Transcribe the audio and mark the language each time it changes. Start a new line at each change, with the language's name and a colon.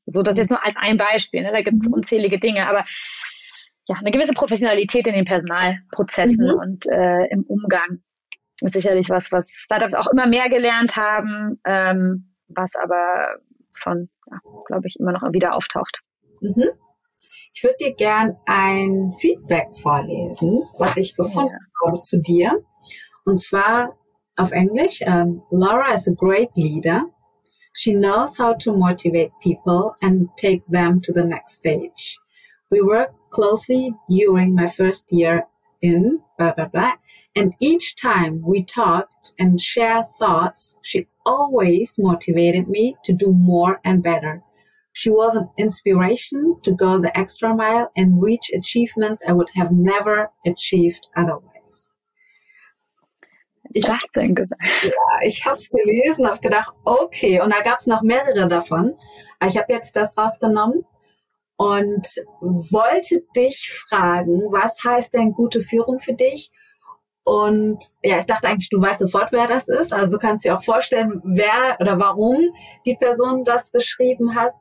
German: So, das jetzt nur als ein Beispiel, ne? Da gibt es unzählige Dinge, aber ja, eine gewisse Professionalität in den Personalprozessen und im Umgang ist sicherlich was Startups auch immer mehr gelernt haben, was aber schon, glaube ich, immer noch wieder auftaucht. Mhm. Ich würde dir gern ein Feedback vorlesen, was ich gefunden habe zu dir. Und zwar auf Englisch.
English: Laura is a great leader. She knows how to motivate people and take them to the next stage. We work closely during my first year in blah blah blah, and each time we talked and shared thoughts, she always motivated me to do more and better. She was an inspiration to go the extra mile and reach achievements I would have never achieved otherwise.
German: Ich habe es gelesen, habe gedacht, okay, und da gab es noch mehrere davon. Ich habe jetzt das rausgenommen. Und wollte dich fragen, was heißt denn gute Führung für dich? Und ja, ich dachte eigentlich, du weißt sofort, wer das ist. Also kannst du dir auch vorstellen, wer oder warum die Person das geschrieben hat.